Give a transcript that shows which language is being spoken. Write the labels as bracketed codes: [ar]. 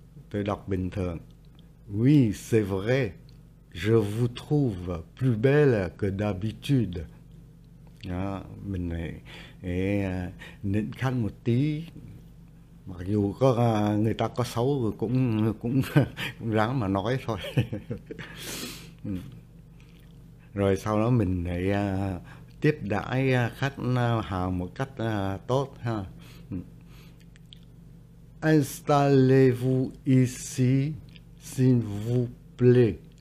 [vi] Tôi đọc bình thường. [fr] Oui, c'est vrai. Je vous trouve plus belle que d'habitude. [vi] Đó, mình này nịnh khăn một tí. Mặc dù có người ta có xấu cũng cũng, cũng ráng mà nói thôi. Rồi sau đó mình lại tiếp đãi khách hàng một cách tốt ha. [fr] Installez-vous ici, s'il vous plaît.